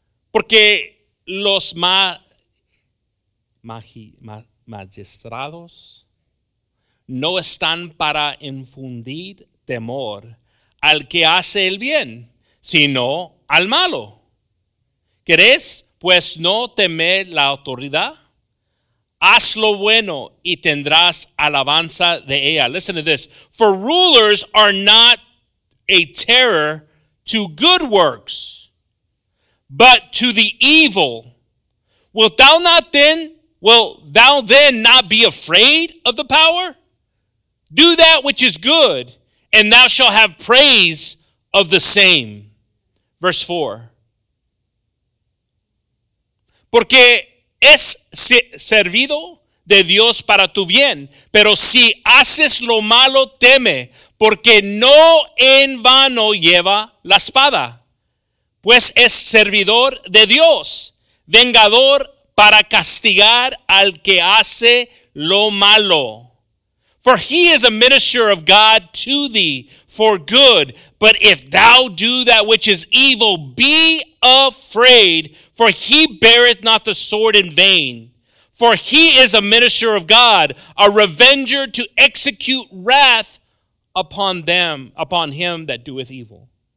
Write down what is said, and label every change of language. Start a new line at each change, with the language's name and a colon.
Spanish: Porque los magistrados no están para infundir temor al que hace el bien, sino al malo. ¿Querés, pues, no temer la autoridad? Haz lo bueno y tendrás alabanza de ella.
English: Listen to this. For rulers are not a terror to good works, but to the evil. Wilt thou not then, Will thou then not be afraid of the power? Do that which is good, and thou shalt have praise of the same. Verse 4.
Spanish: Porque es servido de Dios para tu bien, pero si haces lo malo, teme, porque no en vano lleva la espada, pues es servidor de Dios, vengador para castigar al que hace lo malo.
English: For he is a minister of God to thee for good, but if thou do that which is evil, be afraid, for he beareth not the sword in vain. For he is a minister of God, a revenger to execute wrath upon them, upon him that doeth evil.